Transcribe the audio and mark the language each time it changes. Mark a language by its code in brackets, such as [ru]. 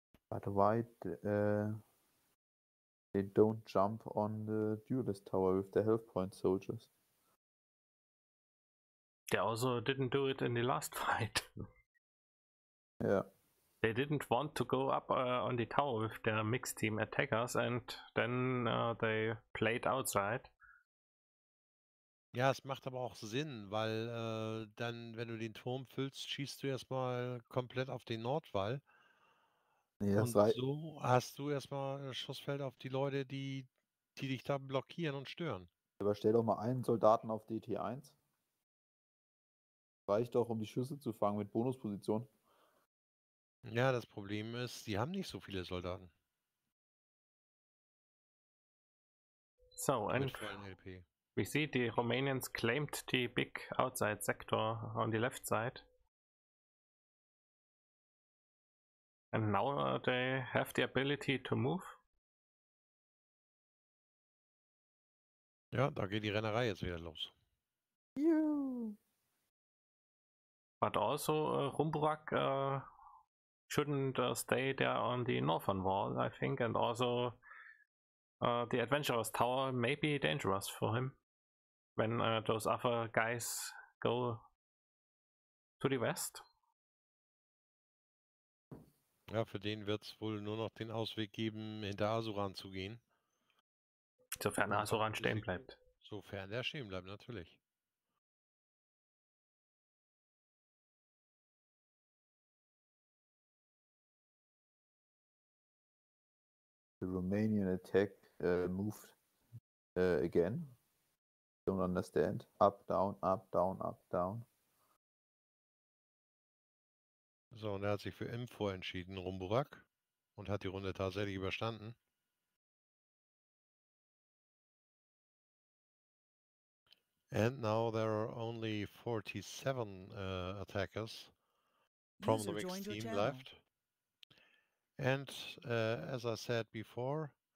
[en] But why they don't jump on the Duelist Tower with the health point soldiers? They also didn't do it in the last fight. Yeah. They didn't want to go up on the tower with their mixed team attackers, and then they played outside. [de] Ja, es macht aber auch Sinn, weil dann, wenn du den Turm füllst, schießt du erstmal komplett auf den Nordwall. Ja, und so hast du erstmal Schussfeld auf die Leute, die dich da blockieren und stören. Aber stell doch mal einen Soldaten auf DT1. Reicht doch, um die Schüsse zu fangen mit Bonusposition. Ja, das Problem ist, die haben nicht so viele Soldaten. So, LP. [en] We see the Romanians claimed the big outside sector on the left side. And now they have the ability to move. [de] Ja, da geht die Rennerei jetzt wieder los. Juhu. [en] But also Rumburak shouldn't stay there on the northern wall, I think. And also the Adventurer's Tower may be dangerous for him. When those other guys go to the west. [de] Ja, für den wird es wohl nur noch den Ausweg geben, hinter Azuran zu gehen. Sofern Azuran stehen bleibt. Sofern der stehen bleibt, natürlich. [en] The Romanian attack moved again. Don't understand. Up, down, up, down, up, down. [de] So, und er hat sich für Info entschieden, Rumburak, und hat die Runde tatsächlich überstanden. [en] And now there are only 47 attackers from the mixed team left. And as I said before,